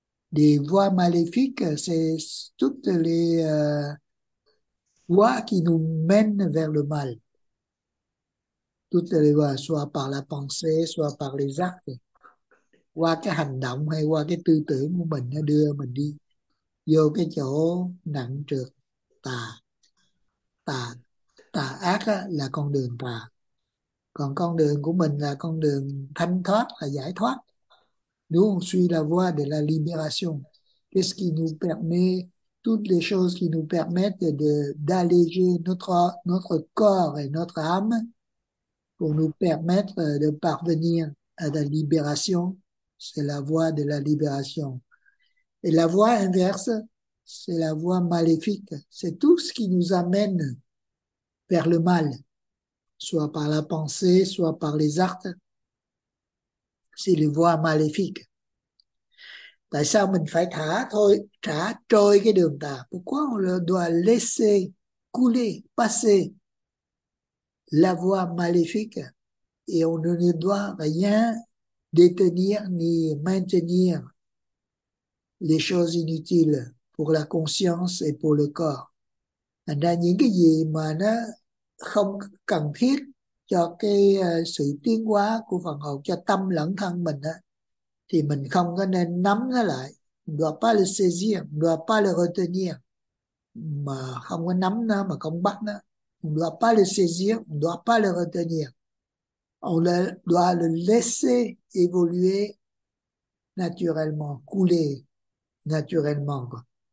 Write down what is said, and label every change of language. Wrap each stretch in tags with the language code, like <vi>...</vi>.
<fr>Die voie maléfique, c'est toutes les voies qui nous mènent vers le mal. Toutes les voies, soit par la pensée, soit par les actes.</fr> <vi>Qua cái hành động hay qua cái tư tưởng của mình nó đưa mình đi vô cái chỗ nặng trượt tà. Tà ác á, là con đường tà. Còn con đường của mình là con đường thanh thoát, là giải thoát. Đúng không?</vi> <fr>Suis la voie de la libération. Qu'est-ce qui nous permet, toutes les choses qui nous permettent d'alléger notre corps et notre âme pour nous permettre de parvenir à la libération. C'est la voie de la libération. Et la voie inverse, c'est la voie maléfique. C'est tout ce qui nous amène vers le mal, soit par la pensée, soit par les actes. C'est les voies maléfiques.</fr> <vi>Tại sao mình phải thả trôi cái đường tà?</vi> <fr>Pourquoi on le doit laisser couler, passer la voie maléfique et on ne doit rien détenir ni maintenir les choses inutiles pour la conscience et pour le corps.</fr> <vi>Thành ra những cái gì mà nó không cần thiết cho cái sự tiến hóa của phần hồn, cho tâm lẫn thân mình đó, thì mình không có nên nắm nó lại.</vi> <fr>Doit pas le saisir, doit pas le retenir.</fr> <vi>Mà không có nắm nó mà không bắt nó.</vi> <fr>Doit pas le saisir, doit pas le retenir. On doit le laisser évoluer naturellement, couler naturellement, quoi.</fr>